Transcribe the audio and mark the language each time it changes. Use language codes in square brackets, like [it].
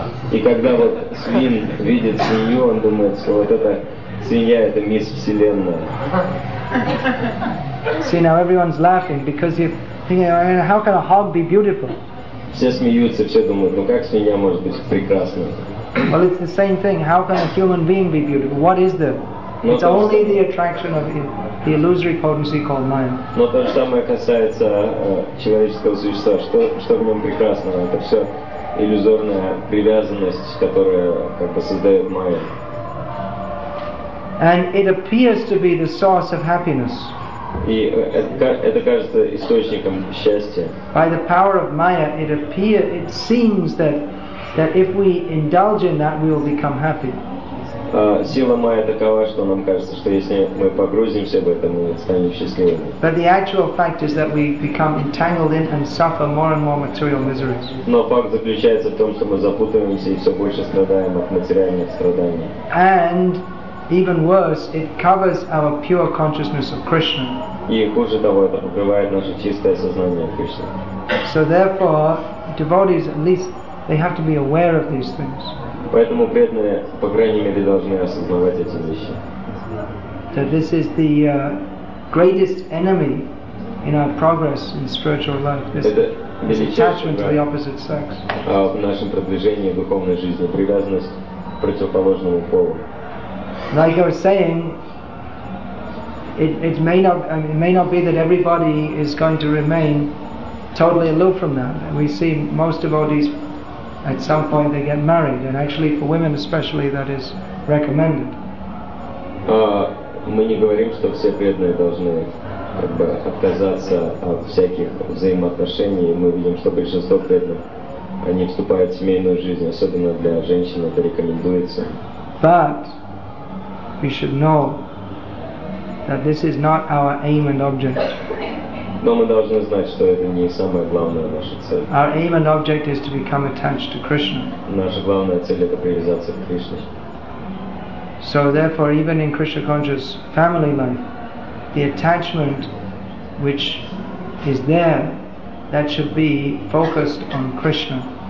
[ru] И когда вот свин видит свинью, он думает, что вот это свинья, это мисс Вселенная. [en] See, now everyone's laughing because you're thinking, I mean, how can a hog be beautiful? [ru] Все смеются, все думают, ну как свинья может быть прекрасна? [en] Well, it's the same thing. How can a human being be beautiful? What is there? Но it's only the attraction of the illusory potency called mind. [ru] Но то же самое касается человеческого существа. Что в нем прекрасного? Это все иллюзорная привязанность, которая как бы создает майя. [en] And it appears to be the source of happiness. [ru] И это кажется источником счастья. [en] By the power of Maya, it seems that if we indulge in that, we will become happy. [ru] Сила Майя такова, что нам кажется, что если мы погрузимся в это, мы станем счастливыми. [en] But the actual fact is that we become entangled in and suffer more and more material miseries. [ru] Но факт заключается в том, что мы запутываемся и все больше страдаем от материальных страданий. [en] And even worse, it covers our pure consciousness of Krishna. [ru] И хуже того, это покрывает наше чистое сознание Кришны. [en] So therefore, devotees at least they have to be aware of these things. [ru] Поэтому преданные, по крайней мере, должны осознавать эти вещи. [en] That this is the greatest enemy in our progress in spiritual life. This attachment to the opposite sex. [ru] В нашем продвижении в духовной жизни привязанность к противоположному полу. [en] Like I was saying, it may not be that everybody is going to remain totally aloof from that. We see most devotees at some point they get married, and actually for women especially that is recommended. [ru] Мы не говорим, что все преданные должны как бы отказаться от всяких взаимоотношений. Мы видим, что большинство преданных они вступают в семейную жизнь, особенно для женщин это рекомендуется. [en] But we should know that this is not our aim and object. [ru] Но мы должны знать, что это не самая главная наша цель. [en] Our aim and object is to become attached to Krishna. [ru] Наша главная цель это привязаться к Кришне. [en] So therefore, even in Krishna conscious family life, the attachment which is there, that should be focused on Krishna.